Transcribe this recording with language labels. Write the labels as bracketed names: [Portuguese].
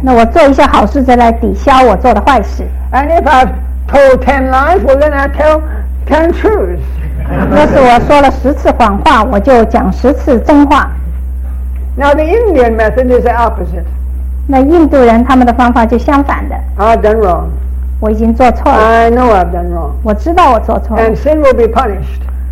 [Chinese] 那我做一些好事再来抵消我做的坏事。 [English] And if I've told 10 lies, well then I tell 10 truths. [Chinese] 那是我说了10次谎话，我就讲10次真话。 [English] Now the Indian method is the opposite. [Chinese] 那印度人他们的方法就相反的。 [English] I've done wrong. [Chinese] 我已经做错了。 [English] I know I've done wrong. [Chinese] 我知道我做错了。 [English] And sin will be punished.